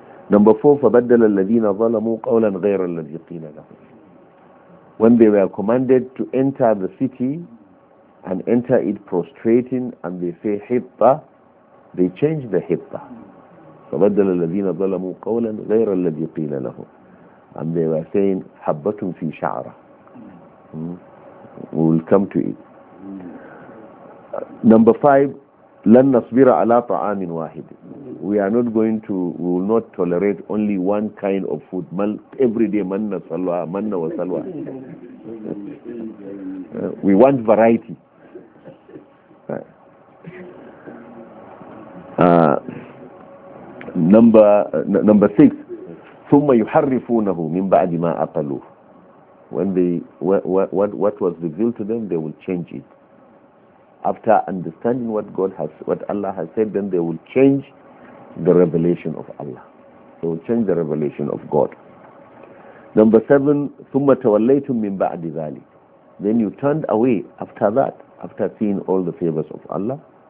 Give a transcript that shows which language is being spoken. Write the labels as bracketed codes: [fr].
[en] Number four, [ar] فبدل الذين ظلموا قولا غير الذي قيل لهم. [en] When they were commanded to enter the city and enter it prostrating and they say حطة, they change the حطة. [ar] فبدل الذين ظلموا قولا غير الذي قيل لهم. [en] And they were saying [ar] حبة في شعرة. [en] We will come to it. Number five, [ar] لن نصبر على طعام واحد. [en] We are not going to, we will not tolerate only one kind of food. Every day, manna salwa, manna wa salwa. We want variety. Number six, [ar] ثم يحرفونه من بعد ما أقلوه. [en] When they what was revealed to them, they will change it. After understanding what Allah has said, then they will change the revelation of Allah. They will change the revelation of God. Number seven, [ar] ثُمَّ تَوَلَّيْتُمْ مِنْ بَعْدِ ذَلِكَ. [en] Then you turned away after that, after seeing all the favors of Allah.